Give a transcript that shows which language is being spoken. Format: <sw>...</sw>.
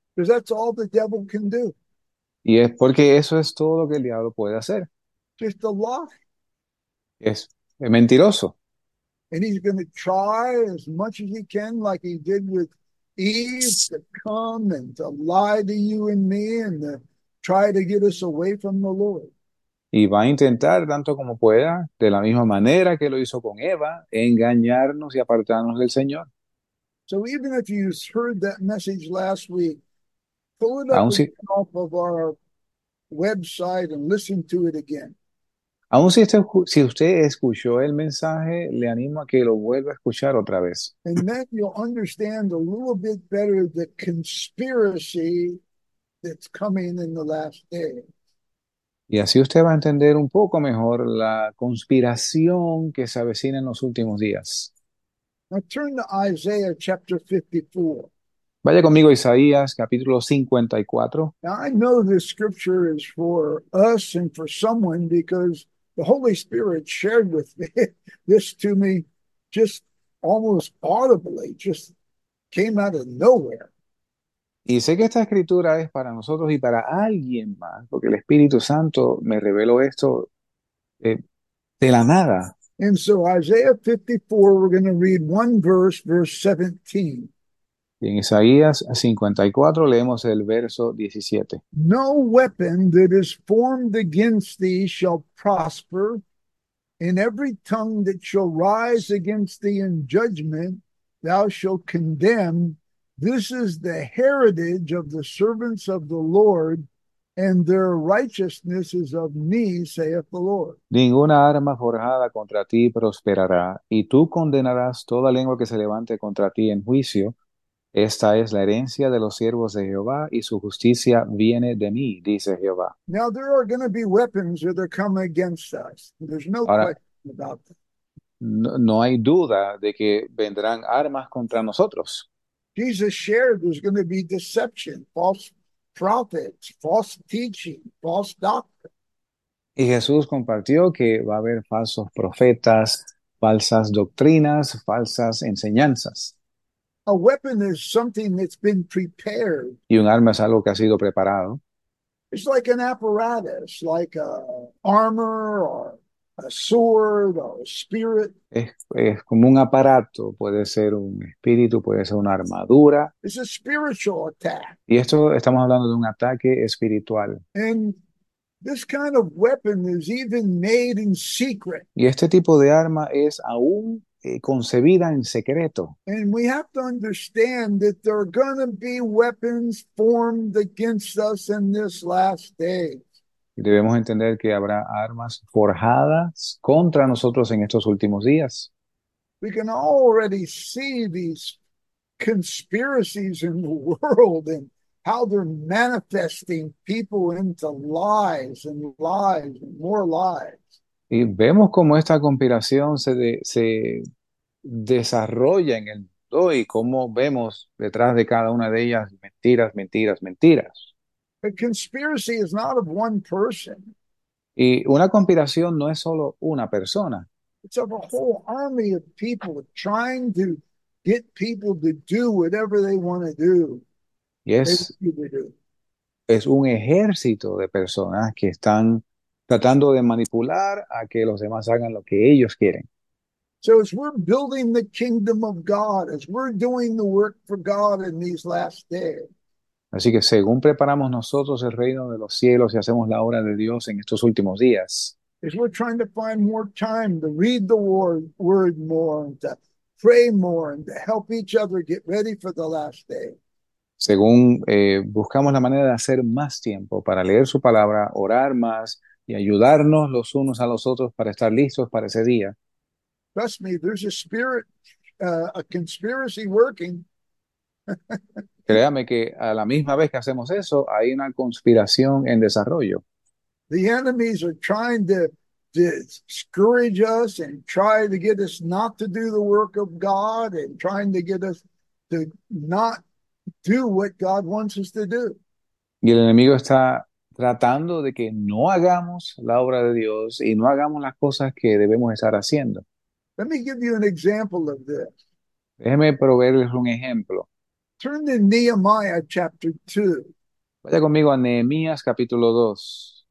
<en>Because that's all the devil can do.</en> <es>Y es porque eso es todo lo que el diablo puede hacer.</es> <en>Just a lie.</en> <es>Es mentiroso.</es> <en>And he's going to try as much as he can, like he did with Eve, to come and to lie to you and me and to try to get us away from the Lord.</en> <es>Y va a intentar tanto como pueda, de la misma manera que lo hizo con Eva, engañarnos y apartarnos del Señor.</es> <en>So even if you heard that message last week, pull it up</en> <es>Aún</es> <en>and</en> <es>si</es> <en>get off of our website and listen to it again.</en> <es>si usted escuchó el mensaje, le animo a que lo vuelva a escuchar otra vez.</es> <en>And then you'll understand a little bit better the conspiracy that's coming in the last days.</en> <es>Y así usted va a entender un poco mejor la conspiración que se avecina en los últimos días.</es> <en>Now turn to Isaiah chapter 54.</en> <es>Vaya conmigo a Isaías, capítulo 54.</es> <en>Now, I know this scripture is for us and for someone because the Holy Spirit shared with me this to me just almost audibly, just came out of nowhere.</en> <es>Y sé que esta escritura es para nosotros y para alguien más, porque el Espíritu Santo me reveló esto de la nada.</es> <en>And so, Isaiah 54, we're going to read one verse, verse 17.</en> <es>Y en Isaías 54 leemos el verso 17.</es> <en>No weapon that is formed against thee shall prosper, and every tongue that shall rise against thee in judgment thou shalt condemn. This is the heritage of the servants of the Lord, and their righteousness is of me, saith the Lord.</en> <es>Ninguna arma forjada contra ti prosperará, y tú condenarás toda lengua que se levante contra ti en juicio. Esta es la herencia de los siervos de Jehová, y su justicia viene de mí, dice Jehová.</es> <en>Now, there are going to be weapons that are coming against us. There's no</en> <es>Ahora,</es> <en>question about that.</en> <es>no hay duda de que vendrán armas contra nosotros.</es> <en>Jesus shared there's going to be deception, false prophets, false teaching, false doctrine.</en> <es>Y Jesús compartió que va a haber falsos profetas, falsas doctrinas, falsas enseñanzas.</es> <en>A weapon is something that's been prepared.</en> <es>Y un arma es algo que ha sido preparado.</es> <en>It's like an apparatus, like a armor or a sword or a spirit.</en> <es>Es como un aparato, puede ser un espíritu, puede ser una armadura.</es> <en>It's a spiritual attack.</en> <es>Y esto estamos hablando de un ataque espiritual.</es> <en>And this kind of weapon is even made in secret.</en> <es>Y este tipo de arma es aún concebida en secreto.</es> <en>And we have to understand that there are going to be weapons formed against us in this last day.</en> <es>Y debemos entender que habrá armas forjadas contra nosotros en estos últimos días.</es> <en>We can already see these conspiracies in the world and how they're manifesting people into lies and lies and more lies.</en> <es>Y vemos cómo esta conspiración se desarrolla en el mundo y cómo vemos detrás de cada una de ellas mentiras, mentiras, mentiras.</es> <en>A conspiracy is not of one person.</en> <es>Y una conspiración no es solo una persona.</es> <en>It's of a whole army of people trying to get people to do whatever they want to do.</en> <es>Y</es> <en>They want you to do.</en> <es>es un ejército de personas que están tratando de manipular a que los demás hagan lo que ellos quieren.</es> <en>So as we're building the kingdom of God, as we're doing the work for God in these last days.</en> <es>Así que según preparamos nosotros el reino de los cielos y hacemos la obra de Dios en estos últimos días,</es> <en>As we're trying to find more time to read the word more and to pray more and to help each other get ready for the last day.</en> <es>según buscamos la manera de hacer más tiempo para leer su palabra, orar más y ayudarnos los unos a los otros para estar listos para ese día.</es> <en>Trust me, there's a spirit, a conspiracy working.</en> <es>Créame que a la misma vez que hacemos eso, hay una conspiración en desarrollo.</es> <en>The enemies are trying to discourage us and try to get us not to do the work of God and trying to get us to not do what God wants us to do.</en> <es>Y el enemigo está tratando de que no hagamos la obra de Dios y no hagamos las cosas que debemos estar haciendo.</es> <en>Let me give you an example of this.</en> <es>Déjeme proveerles un ejemplo.</es> <en>Turn to Nehemiah chapter 2.</en> <es>Vaya conmigo a Nehemías capítulo 2.</es>